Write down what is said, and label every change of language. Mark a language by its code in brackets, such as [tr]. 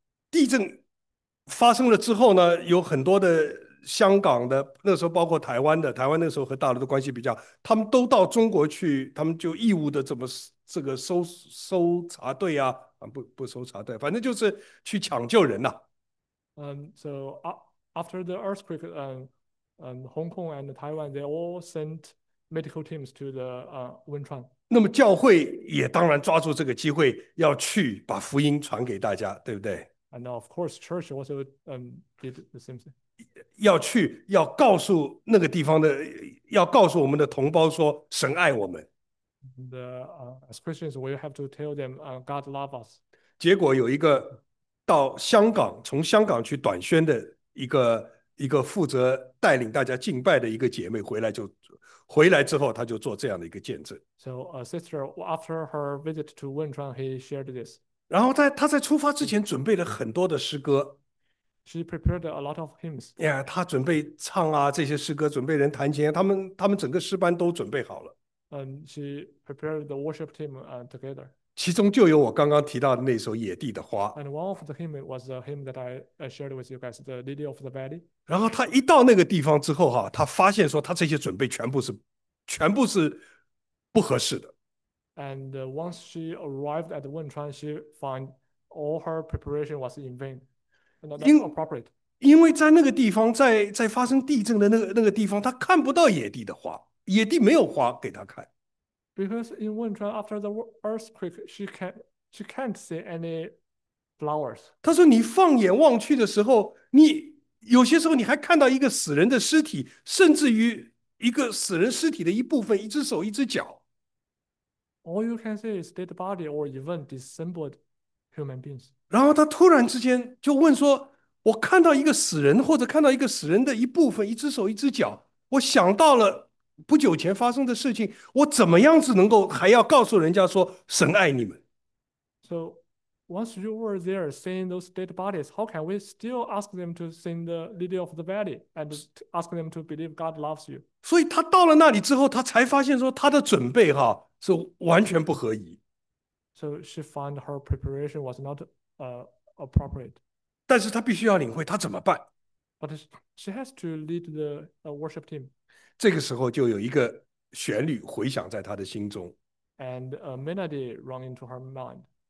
[zh] 地震发生了之后呢，有很多的香港的，那时候包括台湾的，台湾那时候和大陆的关系比较，他们都到中国去，他们就义务的怎么这个搜查队啊，不搜查队，反正就是去抢救人呐、啊。 [en] So after the earthquake, Hong Kong and Taiwan, they all sent medical teams to the Wenchuan. [zh] 那么教会也当然抓住这个机会，要去把福音传给大家，对不对？ [en] And of course, church also did the same thing. [zh] 要去，要告诉那个地方的，要告诉我们的同胞说，神爱我们。 [en] As Christians, we have to tell them, God loves us. [zh] 结果有一个到香港，从香港去短宣的一个负责带领大家敬拜的一个姐妹回来之后，她就做这样的一个见证。 [en] So, a sister, after her visit to Wenchuan, he shared this. [zh] 然后他在出发之前准备了很多的诗歌， [en] She prepared a lot of hymns. [zh] 呀，他准备唱啊这些诗歌，准备人弹琴，他们整个诗班都准备好了， [en] She prepared the worship team together. [zh] 其中就有我刚刚提到的那首《野地的花 [en] And one of the hymns was a hymn that I shared with you guys, The Lily of the Valley. [zh] 然后他一到那个地方之后哈，他发现说他这些准备全部是不合适的。 [en] And once she arrived at Wenchuan, she found all her preparation was in vain, and not appropriate. [zh] 因为在那个地方，在发生地震的那个地方，他看不到野地的花，野地没有花给他看。 [en] Because in Wenchuan, after the earthquake, she can't see any flowers. [zh] 他说：“你放眼望去的时候，你有些时候你还看到一个死人的尸体，甚至于一个死人尸体的一部分，一只手，一只脚。” [en] All you can see is dead body or even disassembled human beings. [zh] 然后他突然之间就问说：“我看到一个死人，或者看到一个死人的一部分，一只手，一只脚。我想到了不久前发生的事情，我怎么样子能够还要告诉人家说神爱你们 [en] So, once you were there seeing those dead bodies, how can we still ask them to sing the Lily of the Valley and ask them to believe God loves you? ？” [zh] 所以他到了那里之后，他才发现说他的准备哈是完全不合宜。 [en] So she found her preparation was not appropriate. [zh] 但是他必须要领会，他怎么办？ [en] But she has to lead the worship team. [zh] 这个时候就有一个旋律回响在他的心中。 [en] And a melody rung into her mind.